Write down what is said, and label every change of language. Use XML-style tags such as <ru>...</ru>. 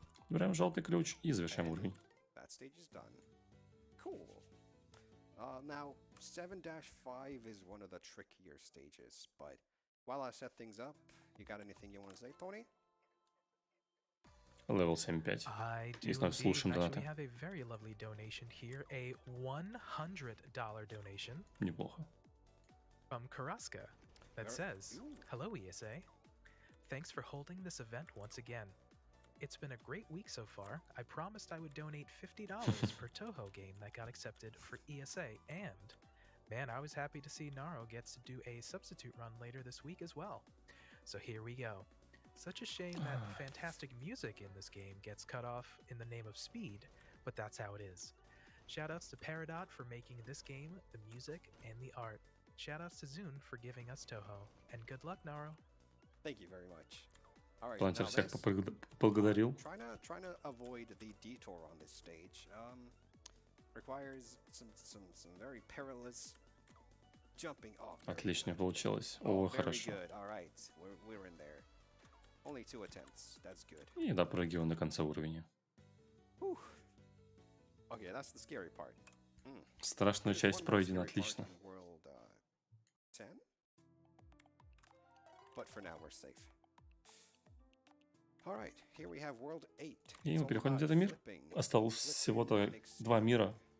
<ru>Берем желтый ключ и завершаем уровень.</ru> <en>That stage is done. Cool. Now, 7-5 is one of the trickier stages, but while I set things up, you got anything you want to say, Tony? Level 7-5. I do indeed. Actually, we have a very lovely donation here, a $100 donation.</en> <ru>Неплохо.</ru> <en>From Karaska, that says, "Hello ESA, thanks for holding this event once again. It's been a great week so far. I promised I would donate $50 per Toho game that got accepted for ESA, and man, I was happy to see Naro gets to do a substitute run later this week as well. So here we go. Such a shame that fantastic music in this game gets cut off in the name of speed, but that's how it is. Shoutouts to Peridot for making this game, the music, and the art. Shoutouts to Zoon for giving us Toho, and good luck, Naro." Thank you very much.</en> <ru>Планчер всех поблагодарил.</ru> <en>Trying to avoid the detour on this stage requires some very perilous jumping off.</en> <ru>Отлично получилось. О, хорошо.</ru> <en>Alright, we're in there. Only two attempts. That's good.</en> <ru>И допрыгиваем до конца уровня.</ru> <en>Whew. Okay, that's the scary part.</en> <ru>Страшная часть пройдена. Отлично. World,</ru> <en>10? But for now, we're safe. All right, here we have world 8.</en> <ru>И мы переходим в этот мир. Осталось всего-то два мира.</ru>